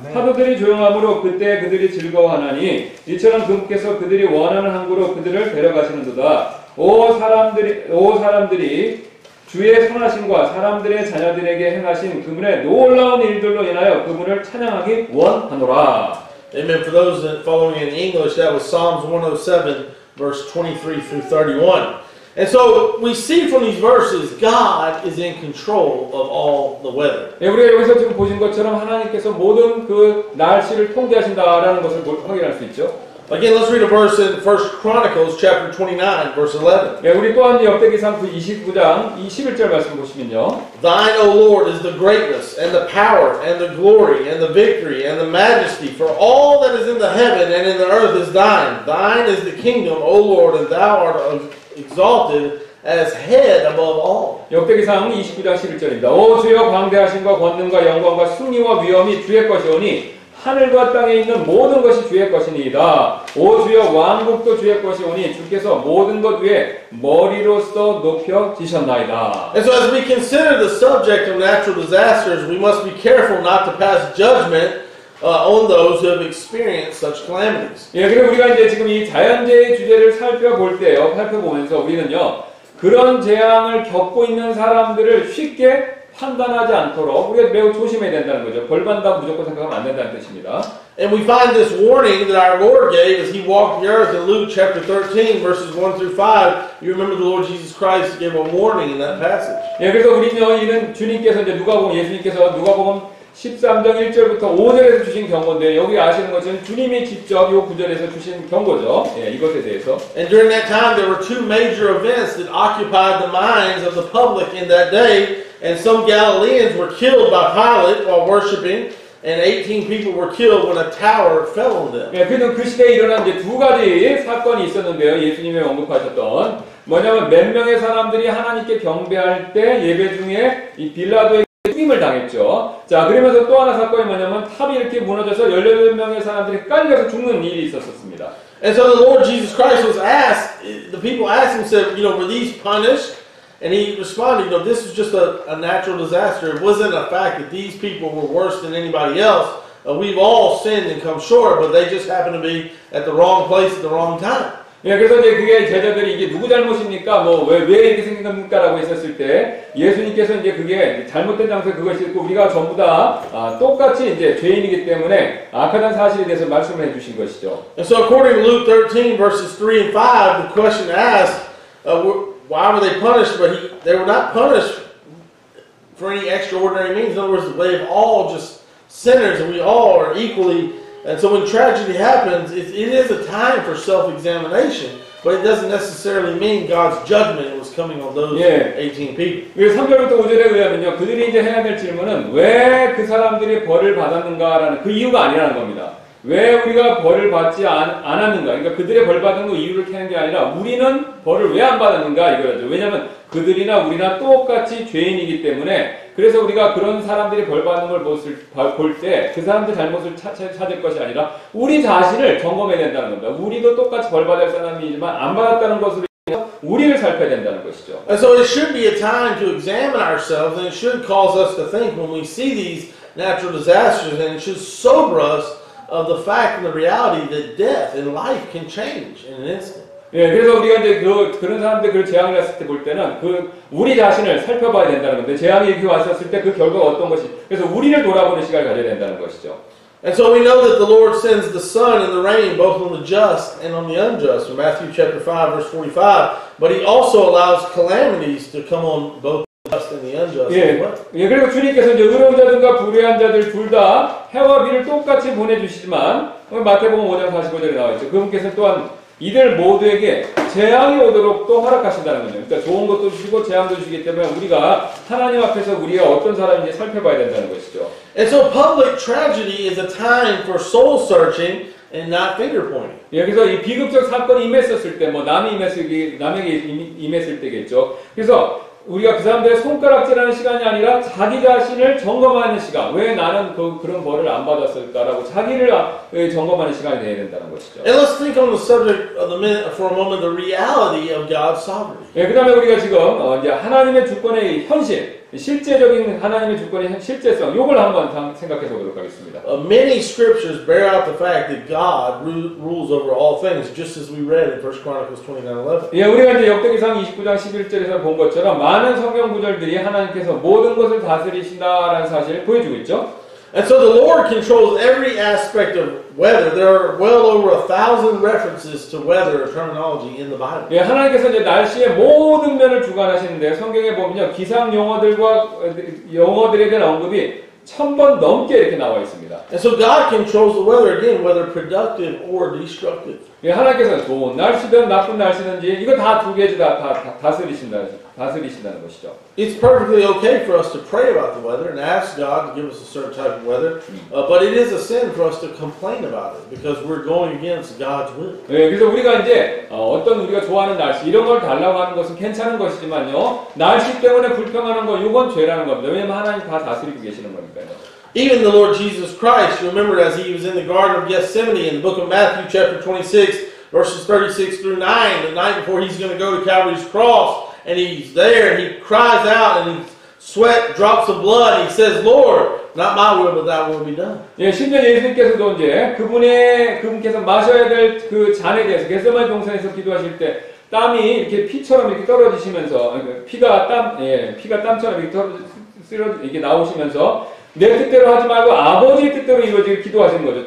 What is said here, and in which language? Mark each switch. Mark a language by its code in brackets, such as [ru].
[ko] 파도들이 조용함으로 그때 그들이 즐거워하나니 이처럼 그분께서 그들이 원하는 항구로 그들을 데려가시는도다. 오 사람들이 주의 선하심과 사람들의 자녀들에게 행하신 그분의 놀라운 일들로 인하여 그분을 찬양하기 원하노라. [en] Amen. For those that following in English, that was Psalms 107, verse 23 through 31. And so we see from these verses, God is in control of all the weather. [ko] 예, 우리가 여기서 지금 보신 것처럼 하나님께서 모든 그 날씨를 통제하신다라는 것을 확인할 수 있죠. [en] Again, let's read a verse in 1 Chronicles chapter 29, verse 11. [ko] 예, 우리 또한 역대기상 29장 21절 말씀 보시면요. [en] Thine, O Lord, is the greatness and the power and the glory and the victory and the majesty. For all that is in the heaven and in the earth is thine. Thine is the kingdom, O Lord, and thou art of exalted as head above all. [ko] 역대기상 29장 11절입니다. 오 주여 광대하심과 권능과 영광과 승리와 위엄이 주의 것이오니 하늘과 땅에 있는 모든 것이 주의 것이니이다. 오 주여 왕국도 주의 것이오니 주께서 모든 것 위에 머리로서 높여 지셨나이다. [en] And so as we consider the subject of natural disasters, we must be careful not to pass judgment on those who have experienced such calamities. [ko] 예, 그리고 우리가 이제 지금 이 자연재해 주제를 살펴볼 때요, 살펴보면서 우리는요, 그런 재앙을 겪고 있는 사람들을 쉽게 판단하지 않도록 우리가 매우 조심해야 된다는 거죠. 벌 받는다고 무조건 생각하면 안 된다는 뜻입니다. [en] And we find this warning that our Lord gave as he walked the earth in Luke chapter 13 verses 1 through 5. You remember the Lord Jesus Christ gave a warning in that passage. [ko] 예, 그래서 우리는 이는 주님께서 이제 누가복음 예수님께서 누가복음 13장 1절부터 5절에서 주신 경고인데 여기 아시는 것은 주님이 직접 이 구절에서 주신 경고죠. 예, 이것에 대해서. [en] And during that time there were two major events that occupied the minds of the public in that day. And some Galileans were killed by Pilate while worshiping, and 18 people were killed when a tower fell on them. [ko] 예, 그는 그 시대에 일어난 이제 두 가지 사건이 있었는데요. 예수님이 언급하셨던 뭐냐면 몇 명의 사람들이 하나님께 경배할 때 예배 중에 이 빌라도의 죽임을 당했죠. 자, 그러면서 또 하나 사건이 뭐냐면 탑이 이렇게 무너져서 18명의 사람들이 깔려서 죽는 일이 있었습니다. [en] And so the Lord Jesus Christ was asked, the people asked him, said, you know, were these punished? And he responded, you know, this is just a natural disaster. It wasn't a fact that these people were worse than anybody else. We've all sinned and come short, but they just happened to be at the wrong place at the wrong time. [ko] 예, 그래서 이제 그게 제자들이 이게 누구 잘못입니까? 뭐 왜 이렇게 생긴 겁니까라고 했었을 때 예수님께서 이제 그게 잘못된 장소에 그것이 있고 우리가 전부 다 똑같이 이제 죄인이기 때문에 악하다는 사실에 대해서 말씀을 해 주신 것이죠. [en] And so according to Luke 13 verses 3 and 5 the question asked why were they punished but they were not punished for any extraordinary means. In other words, they have all just sinners and we all are equally. And so when tragedy happens, it is a time for self-examination, but it doesn't necessarily mean God's judgment was coming on those [ko] 예. [en] 18 people. [ko] 그래서 3절부터 5절에 의하면요, 그들이 이제 해야 될 질문은 왜 그 사람들이 벌을 받았는가라는 그 이유가 아니라는 겁니다. 왜 우리가 벌을 받지 않았는가? 그러니까 그들의 벌 받은 거 이유를 캐는 게 아니라 우리는 벌을 왜 안 받았는가 이거죠. 왜냐하면 그들이나 우리나 똑같이 죄인이기 때문에 그래서 우리가 그런 사람들이 벌 받는 걸 볼 때 그 사람들 잘못을 찾을 것이 아니라 우리 자신을 점검해야 된다는 겁니다. 우리도 똑같이 벌 받을 사람이지만 안 받았다는 것으로 우리를 살펴야 된다는 것이죠. [en] And so it should be a time to examine ourselves and it should cause us to think when we see these natural disasters and it should sober us of the fact and the reality that death and life can change in an instant. [ko] 예, 그래서 우리가 이제 그런 사람들 그 재앙을 했을 때 볼 때는 그 우리 자신을 살펴봐야 된다는 건데 재앙이 이렇게 왔었을 때 그 결과가 어떤 것이 그래서 우리를 돌아보는 시간을 가져야 된다는 것이죠. [en] And so we know that the Lord sends the sun and the rain both on the just and on the unjust from Matthew chapter 5 verse 45 but he also allows calamities to come on both the just and the unjust. [ko] 예, 예 그리고 주님께서 이제 의로운 자들과 불의한 자들 둘 다 해와 비를 똑같이 보내주시지만 마태복음 5장 45절에 나와있죠. 그분께서 또한 이들 모두에게 재앙이 오도록 또 허락하신다는 거죠. 그러니까 좋은 것도 주시고 재앙도 주시기 때문에 우리가 하나님 앞에서 우리가 어떤 사람인지 살펴봐야 된다는 것이죠. [en] And so public tragedy is a time for soul searching and not finger pointing. [ko] 예, 그래서 이 비극적 사건이 임했었을 때, 뭐 남에게 임했을 때겠죠. 그래서 우리가 그 사람들의 손가락질하는 시간이 아니라 자기 자신을 점검하는 시간. 왜 나는 그런 벌을 안 받았을까라고 자기를 점검하는 시간이 되어야 된다는 것이죠. [en] And let's think on the subject of the minute, for a moment the reality of God's sovereignty. [ko] 예, 그다음에 우리가 지금 이제 하나님의 주권의 현실, 실제적인 하나님의 주권의 실제성 요걸 한번 생각해 보도록 하겠습니다. [en] Many scriptures bear out the fact that God rules over all things just as we read in 1 Chronicles 29:11. [ko] 예, 우리가 이제 역대기상 29장 11절에서 본 것처럼 많은 성경 구절들이 하나님께서 모든 것을 다스리신다라는 사실을 보여주고 있죠. [en] And so the Lord controls every aspect of weather. There are well over 1,000 references to weather terminology in the Bible. [ko] 예, 하나님께서 이제 날씨의 모든 면을 주관하시는데 성경에 보면요 기상 용어들과 용어들에 대한 언급이 1,000번 넘게 이렇게 나와 있습니다. [en] And so God controls the weather again, whether productive or destructive. [ko] 예, 하나님께서 좋은 날씨든 나쁜 날씨든지 이거 다 두 개 다스리신다. 다스리신다는 것이죠. [en] It's perfectly okay for us to pray about the weather and ask God to give us a certain type of weather, but it is a sin for us to complain about it because we're going against God's will. [ko] 예, 그래서 우리가 이제 어떤 우리가 좋아하는 날씨 이런 걸 달라고 하는 것은 괜찮은 것이지만요, 날씨 때문에 불평하는 거 이건 죄라는 겁니다. 왜냐하면 하나님 다 다스리고 계시는 거니까요. [en] Even the Lord Jesus Christ, remember as he was in the Garden of Gethsemane in the book of Matthew chapter 26, verses 36 through 9, the night before he's going to go to Calvary's cross, and he's there, and he cries out, and sweat drops of blood, and he says, Lord, not my will, but thy will be done. [ko] 예, 심지어 예수님께서도 이제 그분께서 마셔야 될 그 잔에 대해서, 겟세마네 동산에서 기도하실 때, 땀이 이렇게 피처럼 이렇게 떨어지시면서, 피가 땀처럼 이렇게 떨어지시면서, 쓰러져 이게 나오시면서 내 뜻대로 하지 말고 아버지 뜻대로 이루어지길 기도하시는 거죠.